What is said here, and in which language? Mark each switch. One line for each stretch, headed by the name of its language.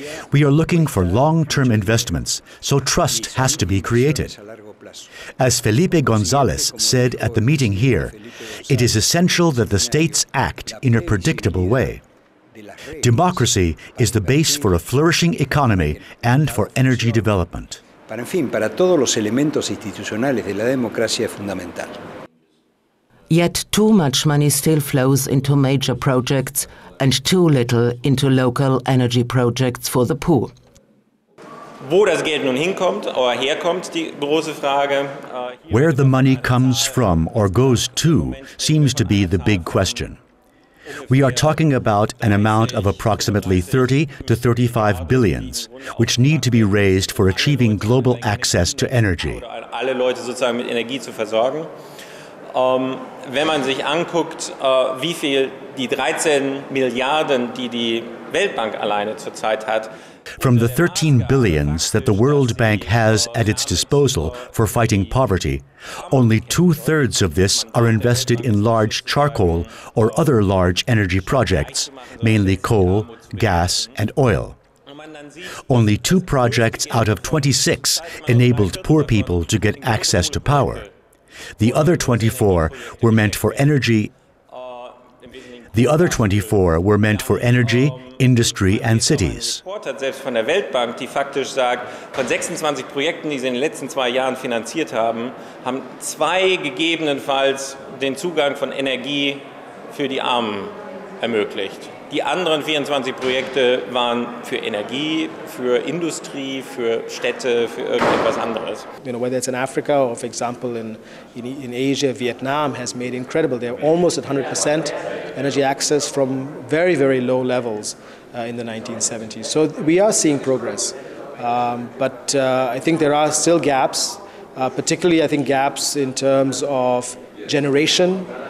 English: We are looking for long-term investments, so trust has to be created. As Felipe González said at the meeting here, it is essential that the states act in a predictable way. Democracy is the base for a flourishing economy and for energy development.
Spanish: Para, en fin, para todos los elementos institucionales de la democracia es fundamental.
English: Yet too much money still flows into major projects and too little into local energy projects for the poor.
German: Wo das Geld nun hinkommt oder herkommt, die große Frage.
English: Where the money comes from or goes to seems to be the big question. We are talking about an amount of approximately 30 to 35 billions, which need to be raised for achieving global access to energy.
German: Alle Leute sozusagen mit Energie zu versorgen. Wenn man sich anguckt, wie viel die 13 Milliarden, die die Weltbank alleine zurzeit hat.
English: From the 13 billions that the World Bank has at its disposal for fighting poverty, only two-thirds of this are invested in large charcoal or other large energy projects, mainly coal, gas, and oil. Only two projects out of 26 enabled poor people to get access to power. The other 24 were meant for energy. The other 24 were meant for energy, industry and cities.
German: Selbst von der Weltbank, die faktisch sagt, von 26 Projekten, die sie in den letzten zwei Jahren finanziert haben, haben zwei gegebenenfalls den Zugang von Energie für die Armen ermöglicht. Die anderen 24 Projekte waren für Energie, für Industrie, für Städte, für irgendetwas anderes.
English: You know, whether it's in Africa or, for example, in Asia, Vietnam has made incredible. They're almost at 100% energy access from very, very low levels in the 1970s. So we are seeing progress. But I think there are still gaps, particularly, I think, gaps in terms of generation.